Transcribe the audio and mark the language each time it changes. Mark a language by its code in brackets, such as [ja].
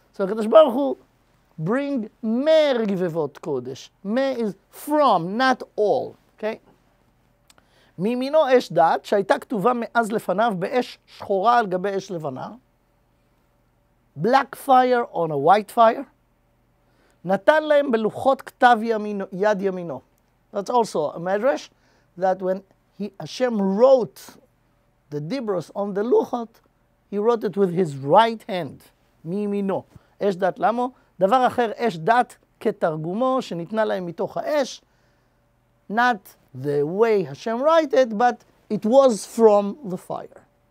[he] So הקדוש ברוך הוא [en] bring [he] מרגבבות קודש. [en] מה is from, not all, okay? [he] מימינו אש דת, שהייתה כתובה מאז לפניו באש שחורה על גבי אש לבנה, [en] black fire on a white fire, [he] נתן להם בלוחות כתב ימינו, יד ימינו. [en] That's also a medrash, that when Hashem wrote the Dibros on the Luchot, he wrote it with his right hand, [he] מימינו. אש דת למו? דבר אחר, אש דת כתרגומו, שניתנה להם מתוך האש, [en] not the way Hashem write it, but it was from the fire.